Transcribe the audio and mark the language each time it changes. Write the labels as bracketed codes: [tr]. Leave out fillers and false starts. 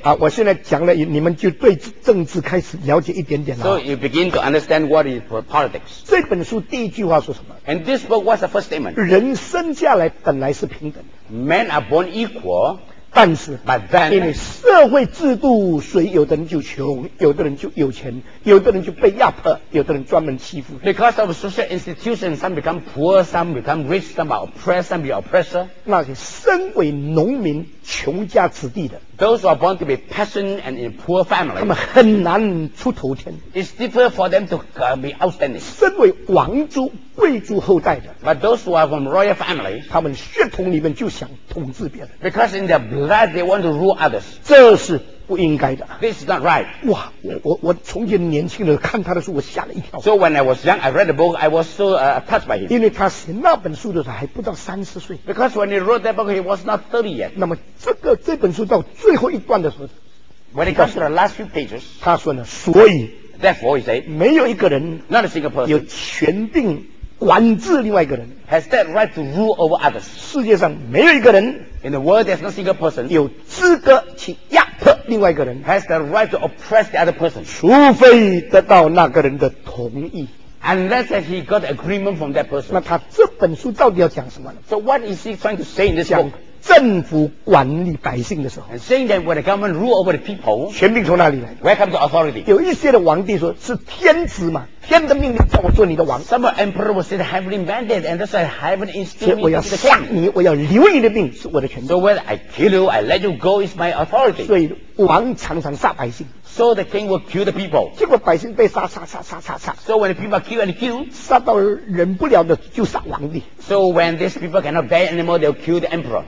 [zh] 好我现在讲了你们就对政治开始了解一点点了 [en] So you begin to understand what is politics [zh] 这本书第一句话说什么 [en] And this book was the first statement [zh] 人生下来本来是平等 [en] Men are born equal [zh] 但是 [en] But then [zh] 因为社会制度所以有的人就穷有的人就有钱有的人就被压迫有的人专门欺负 [en] Because of social institutions some become poor some become rich some are oppressed some be oppressor [zh] 那些身为农民穷家子弟的 [en] Those who are born to be peasant and in poor family [zh] 他们很难出头天 [en] It's difficult for them to be outstanding [zh] 身为王族贵族后代的 [en] But those who are from royal family [zh] 他们血统里面就想统治别人 [en] Because in their blood they want to rule others [zh] 这是不应该的 [en] This is not right [zh] 哇我从前年轻的看他的书我吓了一跳 [en] So when I was young I read the book I was so touched by him [zh] 因为他写那本书的时候还不到三十岁 [en] Because when he wrote that book he was not 30 yet [zh] 那么这本书到最后一段的时候 [en] When it comes to the last few pages [zh] 他说呢所以 [en] Therefore he said [zh] 没有一个人 [en] Not a single person [zh] 有权定管制另外一个人 [en] Has that right to rule over others [zh] 世界上没有一个人 [en] In the world there's not a single person [zh] 有资格去压另外一个人 [en] has the right to oppress the other person [zh] 除非得到那个人的同意 [en] unless that he got agreement from that person [zh] 那他这本书到底要讲什么呢 [en] so what is he trying to say in this book [zh] 讲政府管理百姓的时候 [en] and saying that when the government rule over the people [zh] 权柄从哪里来 [en] where comes the authority [zh] 有一些的王帝说是天子嘛天的命令叫我做你的王 [en] some emperor was said heavenly mandate and that's why heaven instituted [zh] 所以我要杀你我要留你的命是我的权柄 [en] so whether I kill you I let you go is my authority [zh] 所以王常常杀百姓 [en] so the king will kill the people [zh] 结果百姓被杀杀杀杀杀杀 [en] so when the people kill and kill [zh] 杀到忍不了的就杀王帝 [en] so when these people cannot bear anymore they'll kill the emperor